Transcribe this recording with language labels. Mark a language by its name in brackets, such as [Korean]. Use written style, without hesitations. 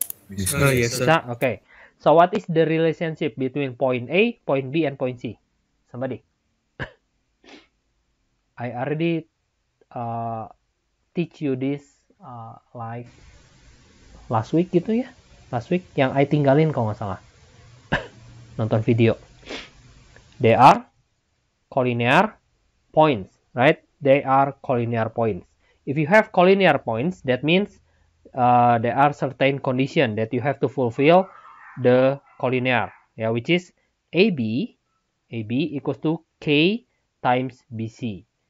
[English] Yes, sir. Okay. So, what is the relationship between point A, point B, and point C? Somebody. I already teach you this like last week gitu ya. [Indonesian] Last week yang I tinggalin kalau nggak salah. Nonton video. [English] They are collinear points, right? They are collinear points. if you have collinear points, that means there are certain condition that you have to fulfill the collinear, yeah, which is AB equals to K times BC.